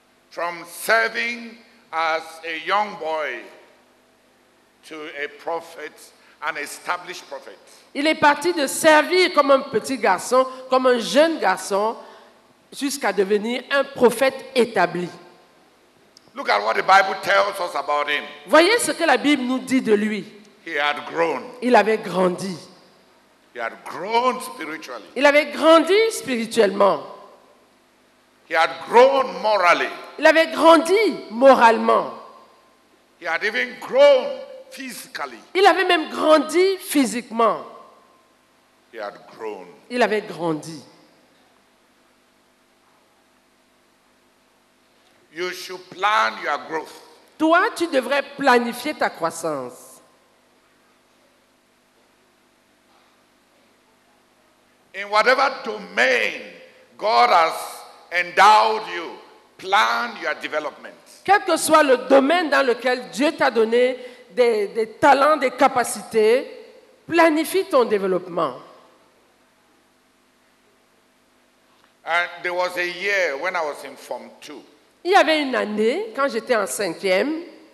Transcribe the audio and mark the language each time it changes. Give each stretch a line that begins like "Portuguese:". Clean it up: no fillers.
English: From serving as a young boy to a prophet, an established prophet.
French: Il est parti de servir comme un petit garçon, comme un jeune garçon, jusqu'à devenir un prophète établi.
English: Look at what the Bible tells us about him.
French: Voyez ce que la Bible nous dit de lui.
English: He had grown.
French: Il avait grandi.
English: He had grown spiritually.
French: Il avait grandi spirituellement.
English: He had grown morally.
French: Il avait grandi moralement.
English: He had even grown physically.
French: Il avait même grandi physiquement.
English: He had grown.
French: Il avait grandi.
English: You should plan your growth.
French: Toi, tu devrais planifier ta croissance.
English: In whatever domain God has endowed you, plan your development.
French: Quel que soit le domaine dans lequel Dieu t'a donné des talents, des capacités, planifie ton développement.
English: And there was a year when I was in Form 2.
French: Il y avait une année quand j'étais en cinquième.